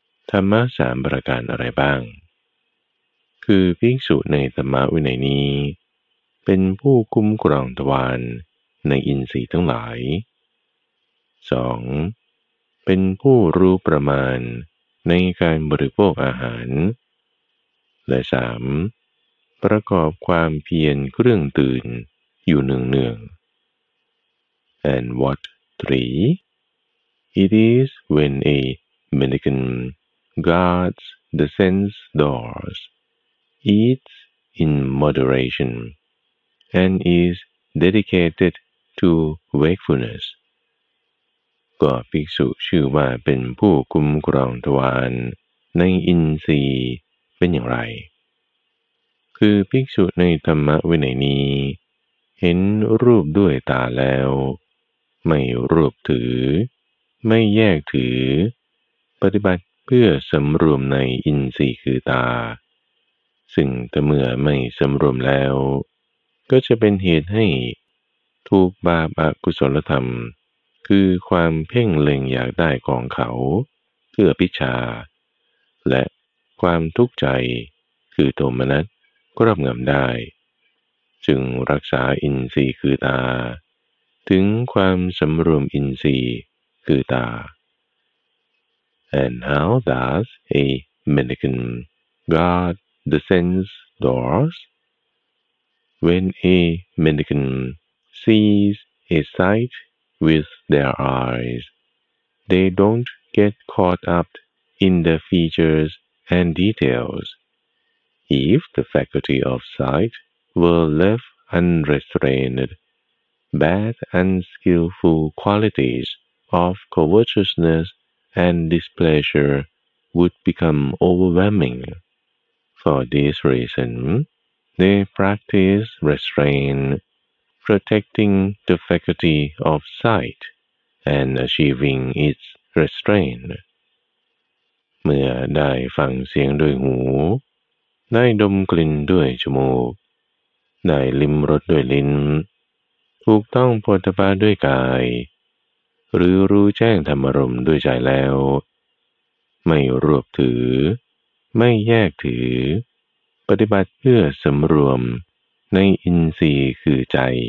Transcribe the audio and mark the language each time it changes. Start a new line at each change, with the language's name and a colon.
Thai: ธรรมะสามประการอะไรบ้างคือภิกษุในธรรมะวินัยนี้เป็นผู้คุ้มครองทวารในอินทรีย์ทั้งหลาย 2. เป็นผู้รู้ประมาณในการบริโภคอาหารและ 3. ประกอบความเพียรเครื่องตื่นอยู่เนืองๆ
English: And what 3? It is when a mendicant guards the sense doors, eats in moderationand is dedicated to wakefulness.
Thai: ก็ภิกษุชื่อว่าเป็นผู้คุ้มครองทวารในอินทรีย์เป็นอย่างไรคือภิกษุในธรรมวินัยนี้เห็นรูปด้วยตาแล้วไม่รูปถือไม่แยกถือปฏิบัติเพื่อสำรวมในอินทรีย์คือตา ซึ่งถ้าเมื่อไม่สำรวมแล้วก็จะเป็นเหตุให้ถูกบาปอกุศลธรรมคือความเพ่งเล็งอยากได้ของเขาเพื่ออภิชฌาและความทุกข์ใจคือโทมนัสครอบงำได้ จึงรักษาอินทรีย์คือตาถึงความสำรวมอินทรีย์คือตา
English: And how does a mendicant guard the sense doors? When a mendicant sees a sight with their eyes, they don't get caught up in the features and details. If the faculty of sight were left unrestrained, bad unskillful qualities of covetousness and displeasure would become overwhelming. For this reason,They practice restraint, protecting the faculty of sight and achieving its restraint.
Thai: เมื่อได้ฟังเสียงด้วยหูได้ดมกลิ่นด้วยจมูกได้ลิ้มรสด้วยลิ้นถูกต้องโผฏฐัพพะด้วยกายหรือรู้แจ้งธรรมรมด้วยใจแล้วไม่รวบถือไม่แยกถือปฏิบัติเพื่อสำรวมในอินทรีย์คือใจ